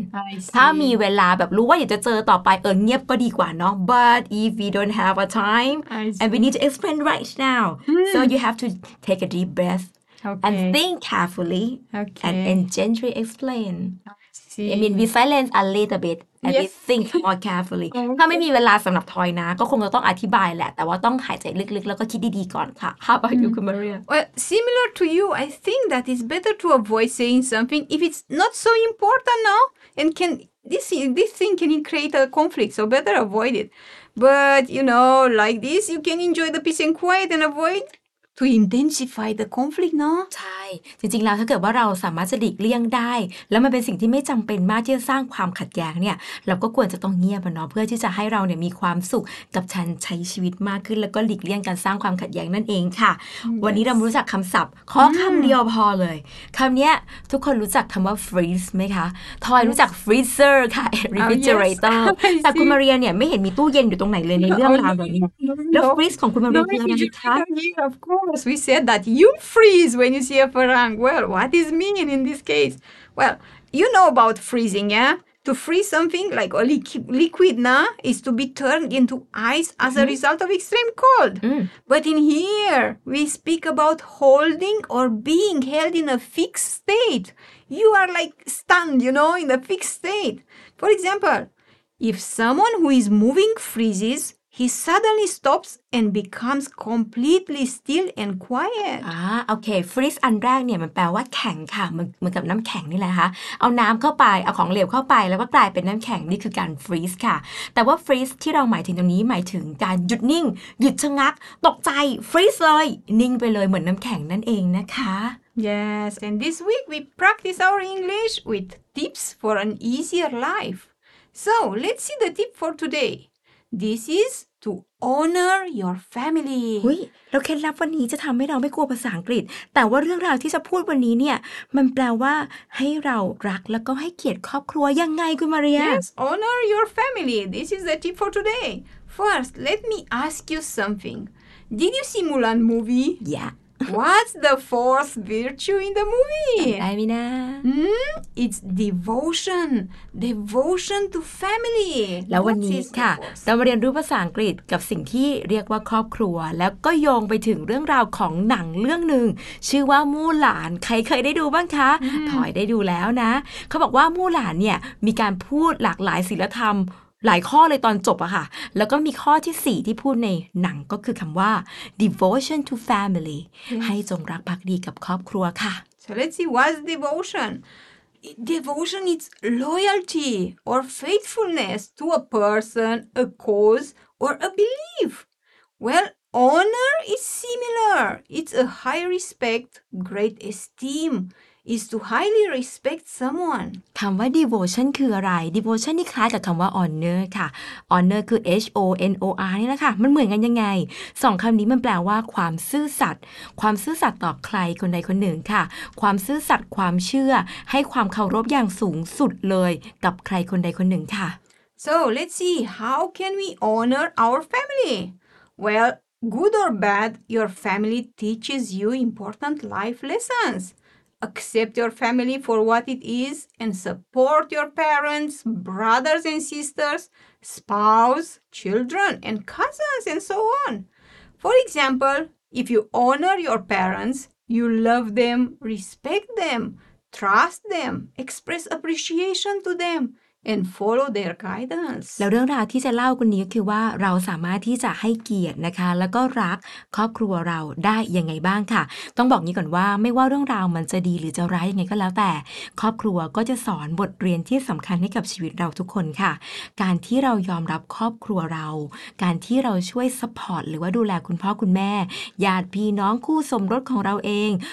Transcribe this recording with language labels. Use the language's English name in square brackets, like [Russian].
[English] I see. [Thai] ถ้ามีเวลาแบบรู้ว่าอยากจะเจอต่อไปเงียบก็ดีกว่าเนาะ [English] But if we don't have a time, and we need to explain right now, so you have to take a deep breath. Okay. And think carefully and gently explain. I mean, we silence a little bit and we think more carefully. [Thai] ถ้าไม่มีเวลาสำหรับทอยนะก็คงจะต้องอธิบายแหละแต่ว่าต้องหายใจลึกๆแล้วก็คิดดีๆก่อนค่ะ [English] How about you, Maria? Well, similar to you, I think that it's better to avoid saying something if it's not so important, no? And can this thing can create a conflict, so better avoid it. But, you know, like this, you can enjoy the peace and quiet and avoid... to intensify the conflict เน [Thai] าะใช่จริงๆแล้วถ้าเกิดว่าเราสามารถจะหลีกเลี่ยงได้แล้วมันเป็นสิ่งที่ไม่จำเป็นมากที่จะสร้างความขัดแย้งเนี่ยเราก็ควรจะต้องเงียบเนาะเพื่อที่จะให้เราเนี่ยมีความสุขกับการใช้ชีวิตมากขึ้นแล้วก็หลีกเลี่ยงการสร้างความขัดแย้งนั่นเองค่ะ วันนี้เรารู้จักคำศัพท์ขอคำเดียวพอเลยคำนี้ทุกคนรู้จักคำว่า freeze ไหมคะทอยรู้จัก freezer ค่ะ refrigerator แต่คุณมาเรียเนี่ยไม่เห็นมีตู้เย็นอยู่ตรงไหนเลยในเรื่องราวแบบนี้แล้ว freeze ของคุณมาเรียคืออะไรคะ [English] Of course we said that you freeze when you see a farang well what is mean in this case well you know about freezing yeah to freeze something like a liquid nah is to be turned into ice as a result of extreme cold but in here we speak about holding or being held in a fixed state you are like stunned you know in a fixed state for example if someone who is moving freezes he suddenly stops and becomes completely still and quiet [Thai] โอเค freeze อันแรกเนี่ยมันแปลว่าแข็งค่ะเหมือนกับน้ำแข็งนี่แหละค่ะเอาน้ำเข้าไปเอาของเหลวเข้าไปแล้วก็กลายเป็นน้ำแข็งนี่คือการ freeze ค่ะแต่ว่า freeze ที่เราหมายถึงตรงนี้หมายถึงการหยุดนิ่งหยุดชะงักตกใจ freeze เลยนิ่งไปเลยเหมือนน้ำแข็งนั่นเองนะคะ [English] yes and this week we practice our English with tips for an easier life so let's see the tip for today this isTo honor your family. [Thai] อุ้ยเราเคล็ดลับวันนี้จะทำให้เราไม่กลัวภาษาอังกฤษแต่ว่าเรื่องราวที่จะพูดวันนี้เนี่ยมันแปลว่าให้เรารักแล้วก็ให้เกียรติครอบครัวยังไงคุณมาเรีย [English] Yes, honor your family. This is the tip for today. First, let me ask you something. Did you see Mulan movie? Yeah. What's the fourth virtue in the movie? Amina. It's devotion. Devotion to family. [Thai] แล้ววันนี้ค่ะเรามาเรียนรู้ภาษาอังกฤษกับสิ่งที่เรียกว่าครอบครัวแล้วก็โยงไปถึงเรื่องราวของหนังเรื่องหนึ่งชื่อว่ามู่หลานใครเคยได้ดูบ้างคะถอยได้ดูแล้วนะเขาบอกว่ามู่หลานเนี่ยมีการพูดหลากหลายศีลธรรมหลายข้อเลยตอนจบอะค่ะแล้วก็มีข้อที่4ที่พูดในหนังก็คือคำว่า [English] devotion to family [Thai] ให้จงรักภักดีกับครอบครัวค่ะ [English] so let's see what's devotion devotion is loyalty or faithfulness to a person a cause or a belief well honor is similar it's a high respect great esteemis to highly respect someone [Thai] คำว่า devotion คืออะไร devotion นี่คล้ายกับคำว่า honor ค่ะ honor คือ honor นี่แหละค่ะมันเหมือนกันยังไงสองคำนี้มันแปลว่าความซื่อสัตย์ความซื่อสัตย์ต่อใครคนใดคนหนึ่งค่ะความซื่อสัตย์ความเชื่อให้ความเคารพอย่างสูงสุดเลยกับใครคนใดคนหนึ่งค่ะ [English] so let's see how can we honor our family well good or bad your family teaches you important life lessonsaccept your family for what it is and support your parents, brothers and sisters, spouse, children and cousins and so on. For example, if you honor your parents, you love them, respect them, trust them, express appreciation to them. And follow their guidance. [Thai] แล้วเรื่องราวที่จะเล่าคนนี้ก็คือว่าเราสามารถที่จะให้เกียรตินะคะแล้วก็รักครอบครัวเราได้ยังไงบ้างค่ะต้องบอกนี้ก่อนว่าไม่ว่าเรื่องราวมันจะดีหรือจะร้ายยังไงก็แล้วแต่ครอบครัวก็จะสอนบทเรียนที่สำคัญให้กับชีวิตเราทุกคนค่ะการที่เรายอมรับครอบครัวเราการที่เราช่วยซัพพอร์ตหรือว่าดูแลคุณพ่อคุณแม่ญาติพี่น้องคู่สมรสของเราเอง